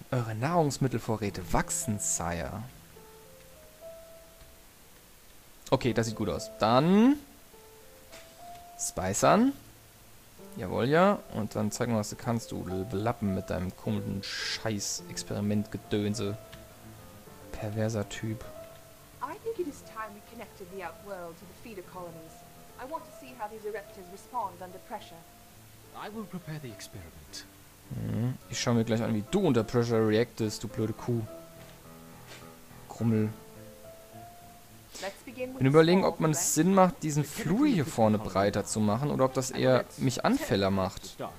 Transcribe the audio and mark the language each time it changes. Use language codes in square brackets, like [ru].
[de] Eure Nahrungsmittelvorräte wachsen, Sire. Okay, das sieht gut aus. Dann Spice an. Jawohl, ja. Und dann zeig mal, was du kannst, du Lappen mit deinem komischen Scheiß-Experiment-Gedönse. Perverser Typ. [en] I think it is time we connected the outworld to the feeder colonies. I want to see how these erectors respond under pressure. I will prepare the experiment. [de] Ich schau mir gleich an, wie du unter Pressure reactest, du blöde Kuh. Krummel. Ich bin überlegen, ob man es Sinn macht, diesen Flur hier vorne breiter zu machen oder ob das eher mich anfälliger macht.